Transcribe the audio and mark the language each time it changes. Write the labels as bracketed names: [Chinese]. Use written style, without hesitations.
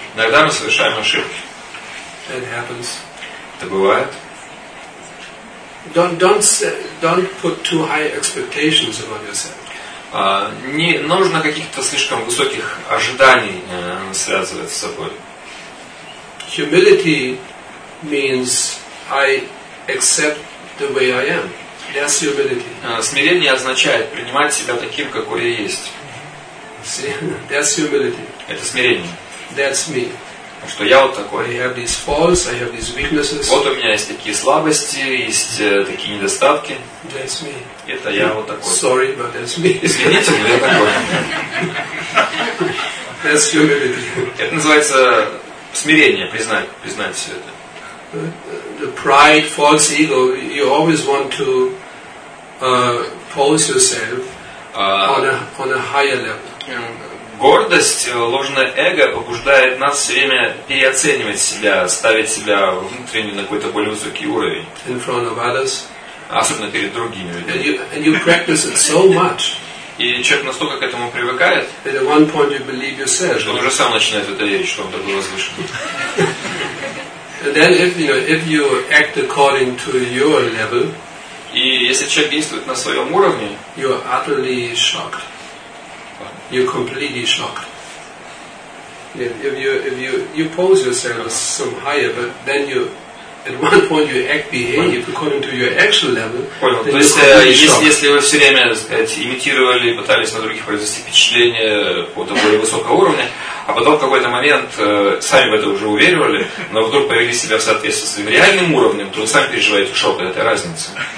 [Russian] Иногда мы совершаем ошибки. [English] That happens. [Russian] Это бывает. [English] Don't put too high expectations about yourself. [Russian] Не нужно каких-то слишком высоких ожиданий связывать с собой. [English] Humility means I accept the way I am. That's humility. [Russian] Смирение означает принимать себя таким, какой я есть. [English] See? That's humility. [Russian] Это смирение. [English] That's me. [Russian] Что я вот такой. [English] I have these faults, I have these weaknesses. [Russian] Вот у меня есть такие слабости, есть такие недостатки. [English] That's me. [Russian] Это я вот такой. [English] Sorry, but that's me. [Russian] Извините, но я такой. [English] That's humility. [Russian] Это называется смирение, признать все это. [English] The pride, false ego, you always want to pose yourself on a higher level. [Russian] Гордость, ложное эго побуждает нас все время переоценивать себя, ставить себя внутренне на какой-то более высокий уровень. [English] In front of others. [Russian] Особенно перед другими людьми. [English] And you practice it so much. [Russian] И человек настолько к этому привыкает, [English] at one point you believe yourself, [Russian] что он уже сам начинает в это верить, что он такой возвышенный. [English] And then if you act according to your level, [Russian] и если человек действует на своем уровне, [English] you are utterly shocked. You're completely shocked. Yeah, if you pose yourself as some higher, but then you at one point you act behave according to your actual level. [Russian] Понял. То есть если вы все время, сказать, имитировали, пытались на других произвести впечатление какого-то более высокого уровня, а потом в какой-то момент сами в это уже уверивали, но вдруг повели себя в соответствии с своим реальным уровнем, то вы сами переживаете шок от этой разницы.